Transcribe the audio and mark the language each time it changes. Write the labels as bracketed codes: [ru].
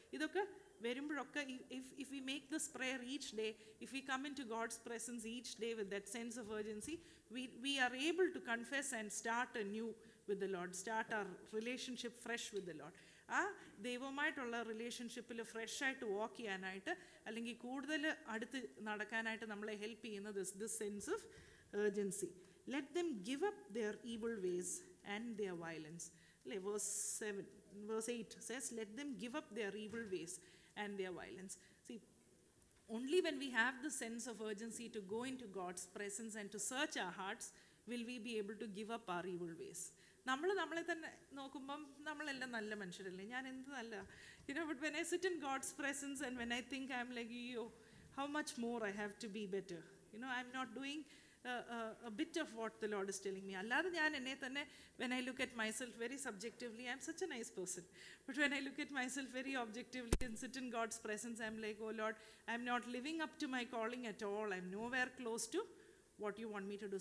[ml] ഇതൊക്കെ വരുമ്പോഴൊക്കെ [en] If we make this prayer each day, if we come into God's presence each day with that sense of urgency, we are able to confess and start anew with the Lord, start our relationship fresh with the Lord. [ml] ആ ദൈവവുമായിട്ടുള്ള റിലേഷൻഷിപ്പിൽ ഫ്രഷായിട്ട് വാക്ക് ചെയ്യാനായിട്ട് അല്ലെങ്കിൽ കൂടുതൽ അടുത്ത് നടക്കാനായിട്ട് നമ്മളെ ഹെൽപ്പ് ചെയ്യുന്നത് [en] This sense of urgency. Let them give up their evil ways and their violence അല്ലേ. Verse 7, verse 8 says, let them give up their evil ways and their violence. See, only when we have the sense of urgency to go into God's presence and to search our hearts will we be able to give up our evil ways. [ml] നമ്മൾ നമ്മളെ തന്നെ നോക്കുമ്പം നമ്മളെല്ലാം നല്ല മനുഷ്യരല്ലേ, ഞാൻ എന്ത് നല്ല, [en] You know, but when I sit in God's presence and when I think I'm like you how much more I have to be better, you know, I'm not doing a bit of what the Lord is telling me. [ml] അല്ലാതെ ഞാൻ എന്നെ തന്നെ [en] When I look at myself very subjectively, I'm such a nice person, but when I look at myself very objectively in sit in God's presence I'm like oh Lord I'm not living up to my calling at all, I'm nowhere close to what you want me to do.